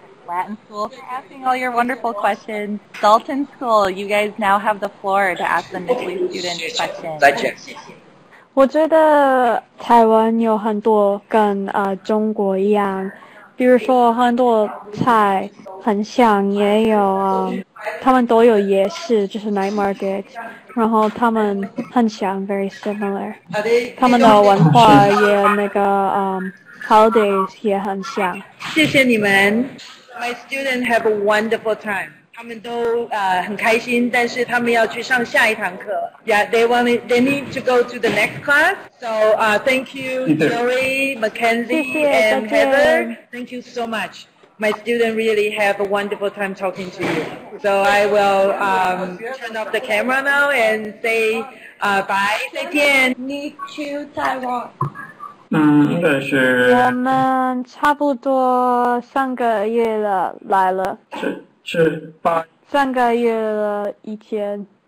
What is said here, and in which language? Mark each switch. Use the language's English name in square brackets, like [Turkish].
[English] Latin School for asking all your wonderful questions. Dalton School, you guys now have the floor to ask the Nipley student questions. [Chinese] 我觉得台湾有很多跟中国一样。比如说很多菜很像，也有他们都有夜市， 就是night market， 然后他们很像， [English] very similar， [Chinese] 他们的文化也那个 holidays 也很像。谢谢你们， [English] my students have a wonderful time， [Chinese] 他们都很开心， 但是他们要去上下一堂课。 [English] Yeah, they need to go to the next class. So thank you, Joey, Mackenzie, and Heather. Thank you so much. My students really have a wonderful time talking to you. So I will turn off the camera now and say bye. [Chinese] 再见. [English] Meet you, Taiwan. [Chinese] 我们差不多三个月了来了。是吧？三个月了一天。